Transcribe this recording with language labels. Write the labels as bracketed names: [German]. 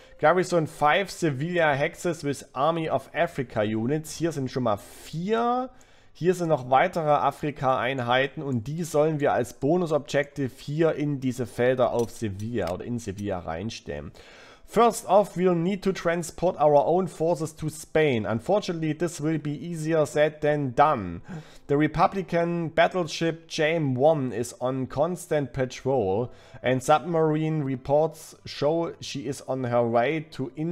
[English] Garrison 5 Sevilla Hexes with Army of Africa Units. [German] Hier sind schon mal 4. Hier sind noch weitere Afrika-Einheiten und die sollen wir als Bonus-Objective hier in diese Felder auf Sevilla oder in Sevilla reinstellen. [English] First off, we'll need to transport our own forces to Spain. Unfortunately, this will be easier said than done. The Republican battleship James 1 is on constant patrol and submarine reports show she is on her way to